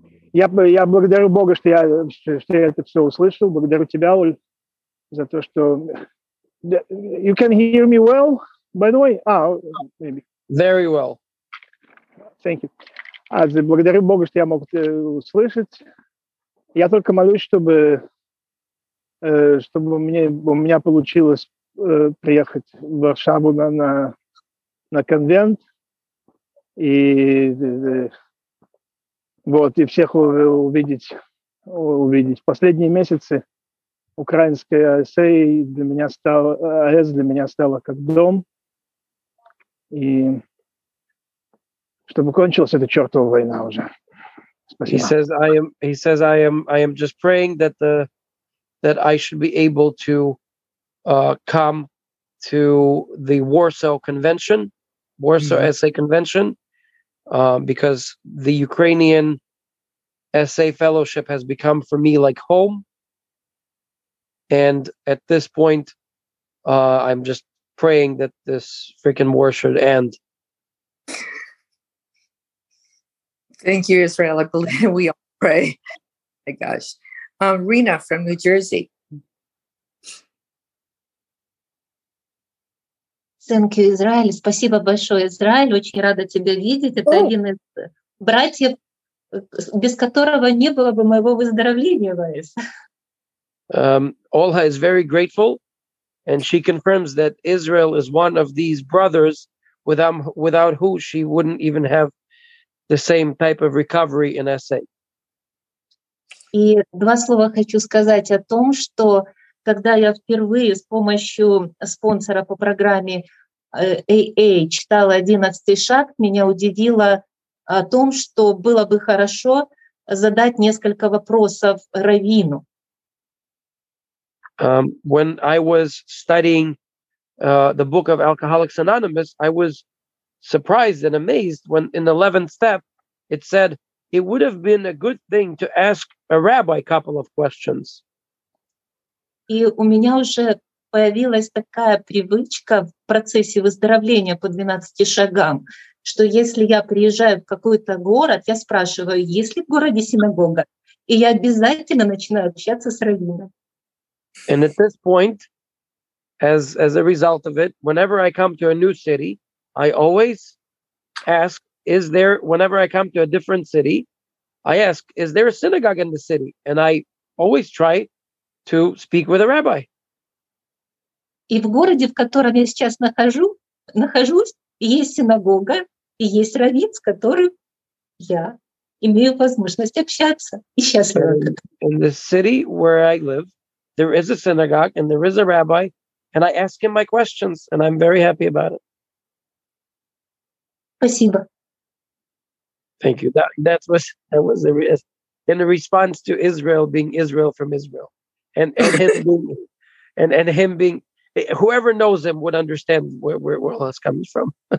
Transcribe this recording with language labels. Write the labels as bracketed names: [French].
[Russian] Я благодарю Бога, что я это все услышал. Благодарю тебя, Оль, за то, что... [English] You can hear me well, by the way? Maybe. Very well. Thank you. [Russian] Благодарю Бога, что я мог услышать. Я только молюсь, чтобы у меня получилось приехать в Варшаву на конвент. И вот, и всех увидеть. Последние месяцы украинская АЭС для меня стала как дом. И чтобы кончилась эта чертова война уже. Спасибо. [English] He says I am just praying that I should be able to come to the Warsaw mm-hmm. SA Convention. Because the Ukrainian SA Fellowship has become for me like home. And at this point, I'm just praying that this freaking war should end. Thank you, Israel. I believe we all pray. Oh my gosh. Rena from New Jersey. Thank you, Израиль. [Russian] Спасибо большое, Израиль. Очень рада тебя видеть. Это один из братьев, без которого не было бы моего выздоровления, Ваис. [English] Olha is very grateful, and she confirms that Israel is one of these brothers, without who she wouldn't even have the same type of recovery in SA. [Russian] И два слова хочу сказать о том, что когда я впервые с помощью спонсора по программе AA читала 11-й шаг, меня удивило о том, что было бы хорошо задать несколько вопросов раввину. [English] When I was studying the book of Alcoholics Anonymous, I was surprised and amazed when in the 11th step, it said, it would have been a good thing to ask a rabbi a couple of questions. [Russian] И у меня уже появилась такая привычка в процессе выздоровления по 12 шагам, что если я приезжаю в какой-то город, я спрашиваю, есть ли в городе синагога? И я обязательно начинаю общаться с раввином. [English] And at this point, as a result of it, whenever I come to a new city, I always ask, is there, whenever I come to a different city, I ask, is there a synagogue in the city? And I always try to speak with a rabbi. [Russian] И в городе, в котором я сейчас нахожусь, есть синагога, и есть раввин, с которым я имею возможность общаться. И счастлива. [English] In the city where I live, there is a synagogue and there is a rabbi, and I ask him my questions, and I'm very happy about it. [Russian] Спасибо. [English] Thank you. That was in response to Israel being Israel from Israel, and him being, and him being, whoever knows him would understand where all this comes from.